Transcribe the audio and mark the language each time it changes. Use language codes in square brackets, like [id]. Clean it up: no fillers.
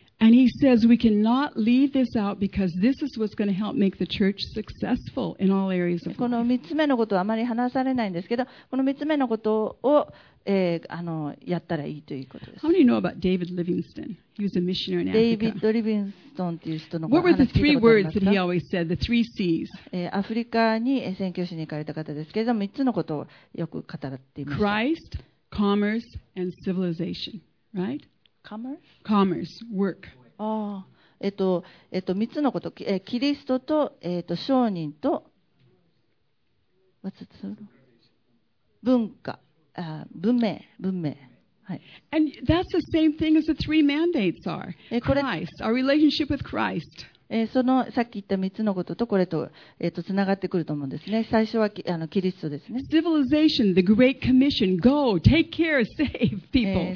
[en] And he says we cannot leave this out because this is what's going to help make the church successful in all areas of life. [ja] この3つ目のことはあまり話されないんですけど、この3つ目のことを、やったらいいということです。 [en] How many know about David Livingston? He was a missionary in Africa. [ja] デイビッド・リビンストンという人の話聞いたことありますか? [en] What were the three words that he always said, the three C's? [ja] アフリカに宣教師に行かれた方ですけれども、3つのことをよく語っていました。 [en] Christ, commerce, and civilization, right? Commerce, work. [ja] ああ、三つのこと、キリストと、商人と、 [en] what's it? [ja] 文化、文明。はい。 [en] And that's the same thing as the three mandates are. Christ, our relationship with Christ. [ja] そのさっき言った3つのこととこれと、つながってくると思うんですね。最初はキリストですね。 [en] Civilization, the Great Commission, go, take care, save people.